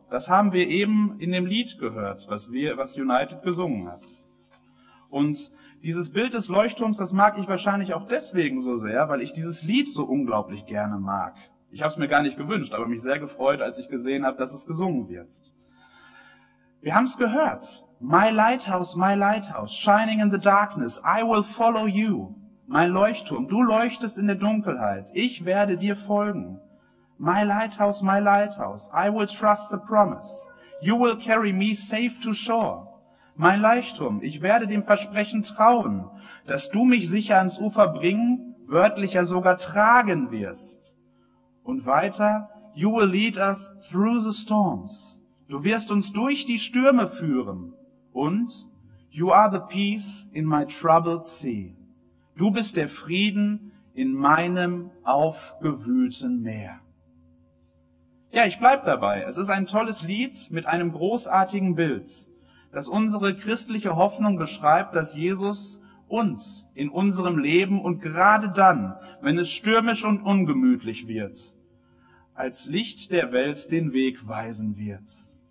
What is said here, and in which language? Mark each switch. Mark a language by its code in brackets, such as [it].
[de] Das haben wir eben in dem Lied gehört, was United gesungen hat. Und dieses Bild des Leuchtturms, das mag ich wahrscheinlich auch deswegen so sehr, weil ich dieses Lied so unglaublich gerne mag. Ich habe es mir gar nicht gewünscht, aber mich sehr gefreut, als ich gesehen habe, dass es gesungen wird. Wir haben es gehört. [en] My Lighthouse, shining in the darkness, I will follow you. [de] Mein Leuchtturm, du leuchtest in der Dunkelheit, ich werde dir folgen. [en] My Lighthouse, I will trust the promise, you will carry me safe to shore. [de] Mein Leuchtturm, ich werde dem Versprechen trauen, dass du mich sicher ans Ufer bringen, wörtlicher sogar tragen wirst. Und weiter, [en] you will lead us through the storms. [de] Du wirst uns durch die Stürme führen. [en] Und you are the peace in my troubled sea. [de] Du bist der Frieden in meinem aufgewühlten Meer. Ja, ich bleib dabei. Es ist ein tolles Lied mit einem großartigen Bild, das unsere christliche Hoffnung beschreibt, dass Jesus uns in unserem Leben und gerade dann, wenn es stürmisch und ungemütlich wird, als Licht der Welt den Weg weisen wird.